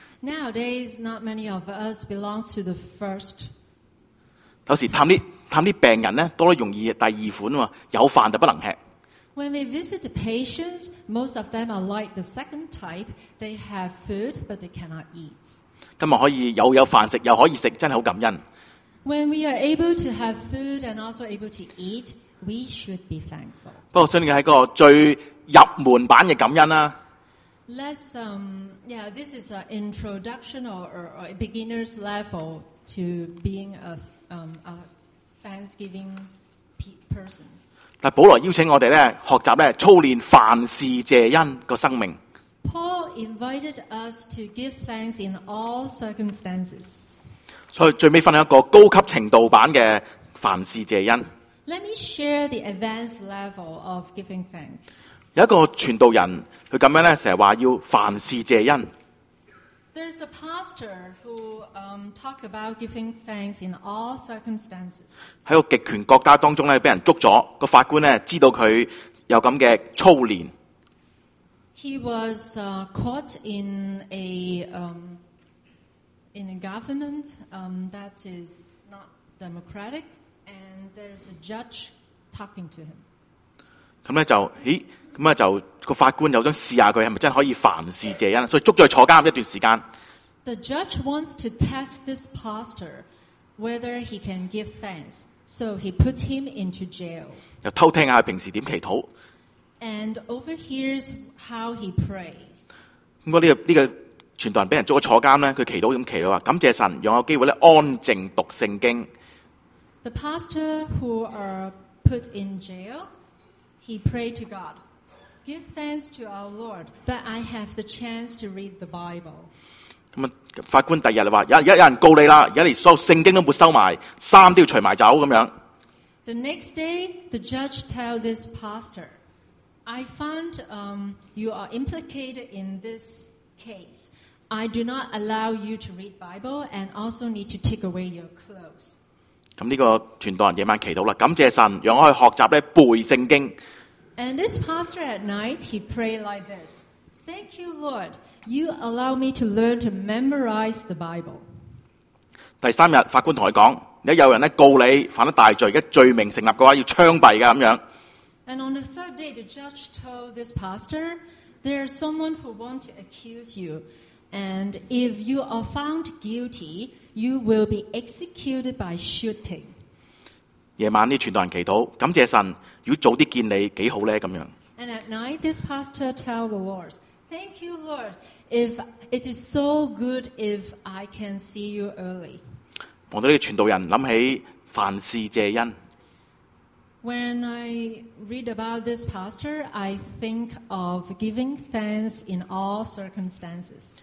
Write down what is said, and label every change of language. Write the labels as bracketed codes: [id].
[en] ？Nowadays, not many of us belong to the first. [yue] 有时探啲病人咧，多得容易第二款喎，有饭就不能吃。 [en] When we visit the patients, most of them are like the second type. They have food, but they cannot eat. [yue] 今日可以有饭食，又可以食，真系好感恩。 [en] When we are able to have food and also able to eat. We should be thankful. [yue] 不过，相信系一个最入门版嘅感恩啦。 [en] Let's this is an introduction or a beginner's level to being a thanksgiving person. [yue] 但保罗邀请我哋咧学习咧操练凡事谢恩个生命。 [en] Paul invited us to give thanks in all circumstances. [yue] 所以最尾分享一个高级程度版嘅凡事谢恩。 [en] Let me share the advanced level of giving thanks. [yue] 有一个传道人，佢咁样咧，成日话要凡事谢恩。 [en] There's a pastor who talk about giving thanks in all circumstances. [yue] 喺个极权国家当中咧，俾人捉咗，个法官咧知道佢有咁嘅操练。 [en] He was caught in a government that is not democratic. And there's a judge talking to him. [yue] 咁咧就，咦？咁咧就个法官就想试下佢系咪真可以凡事谢恩，所以捉咗佢坐监一段时间。 [en] The judge wants to test this pastor whether he can give thanks, so he puts him into jail. [yue] 又偷听下佢平时点祈祷。 [en] And overhears how he prays. [yue] 咁我呢个传道人俾人捉咗坐监咧，佢祈祷咁祈祷话：感谢神，让我有机会咧安静读圣经。 [en] The pastor who are put in jail, he prayed to God, "Give thanks to our Lord that I have the chance to read the Bible." [yue] 法官第二日就话：，有人告你啦，而家连所有圣经都没收埋，衫都要除埋走咁样。 [en] The next day, the judge tell this pastor, "I found you are implicated in this case. I do not allow you to read Bible and also need to take away your clothes." [yue] 咁呢个传道人夜晚祈祷啦，感谢神，让我去学习咧背圣经。 [en] And this pastor at night he pray like this. Thank you, Lord. You allow me to learn to memorize the Bible. [yue] 第三日，法官同佢讲：，一有人告你犯咗大罪，而家罪名成立嘅话，要枪毙嘅咁样。 [en] And on the third day, the judge told this pastor, "There is someone who wants to accuse you, and if you are found guilty, you will be executed by shooting." [yue] 夜晚啲传道人祈祷，感谢神，如果早啲见你几好咧咁样。 [en] And at night, this pastor tell the Lord. Thank you, Lord. If it is so good if I can see you early. [yue] 望到呢个传道人谂起凡事谢恩。 [en] When I read about this pastor, I think of giving thanks in all circumstances.